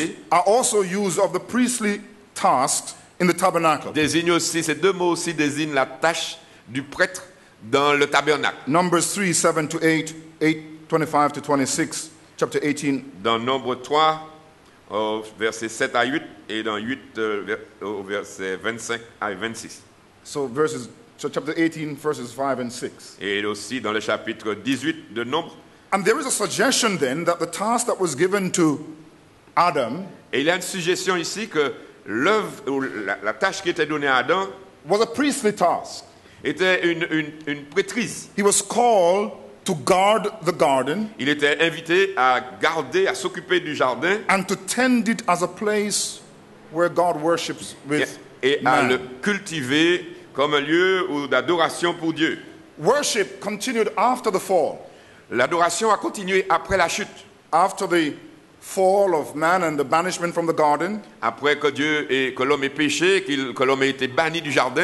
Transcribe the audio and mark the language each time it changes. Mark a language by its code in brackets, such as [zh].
[en] are also used of the priestly tasks in the tabernacle. [fr] Désigne aussi, ces deux mots aussi désignent la tâche du prêtre dans le tabernacle. [en] Numbers 3, 7 to 8, 8. 25 to 26, chapter 18. [fr] Dans Nombre 3, verset 7 à 8, et dans 8, verset 25 à 26. [en] So chapter 18, verses 5 and 6. [fr] Et aussi dans le chapitre 18 de Nombre. [en] And there is a suggestion then that the task that was given to Adam, [fr] et il y a une suggestion ici que l'œuvre ou la tâche qui était donnée à Adam [en] was a priestly task. [fr] Était une prêtrise. [en] He was called to guard the garden. [fr] Il était invité à garder, à s'occuper du jardin. [en] And to tend it as a place where God worships with man. [fr] Et à le cultiver comme un lieu d'adoration pour Dieu. [en] Worship continued after the fall. [fr] L'adoration a continué après la chute. [en] After the fall of man and the banishment from the garden. [fr] Après que Dieu et que l'homme ait péché, que l'homme ait été banni du jardin.